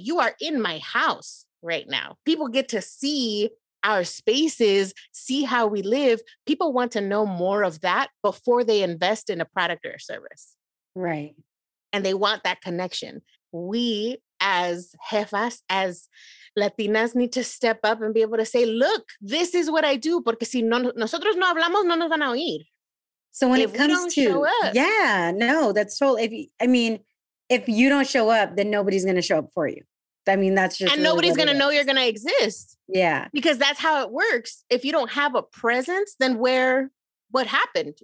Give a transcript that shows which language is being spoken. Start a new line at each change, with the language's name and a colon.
English: You are in my house right now. People get to see our spaces, see how we live. People want to know more of that before they invest in a product or a service. Right. And they want that connection. We as jefas, as Latinas, need to step up and be able to say, look, this is what I do.
Spanish: Porque si no, nosotros no hablamos, no nos van a oír.
English: So when it comes to, yeah, no, that's totally, if you don't show up, then nobody's going to show up for you. I mean, that's just. And nobody's going to know you're going to exist. Yeah. Because that's how it works. If you don't have a presence, then what happened?